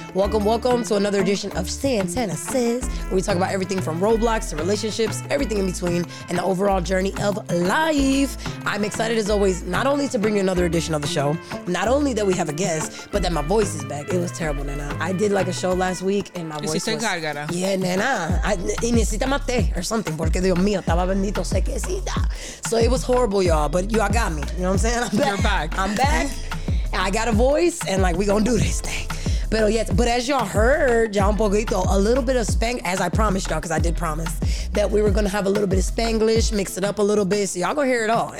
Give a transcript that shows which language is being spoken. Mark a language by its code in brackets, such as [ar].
[en] Welcome, welcome to another edition of Santana Says, where we talk about everything from Roblox to relationships, everything in between, and the overall journey of life. I'm excited, as always, not only to bring you another edition of the show, not only that we have a guest, but that my voice is back. It was terrible, nana. I did like a show last week, and my voice was... [es] Cargara. [en] Yeah, nana. [es] Y necesita más té [en] or something, [es] porque Dios mío, estaba bendito sequecita. [en] So it was horrible, y'all, but y'all got me. You know what I'm saying? I'm back. You're back. I'm back. I got a voice, and like, we gonna do this thing. Pero yes, but as y'all heard, [es] ya un poquito, [en] a little bit of Spang, as I promised y'all, because I did promise that we were gonna have a little bit of Spanglish, mix it up a little bit, so y'all gonna hear it all.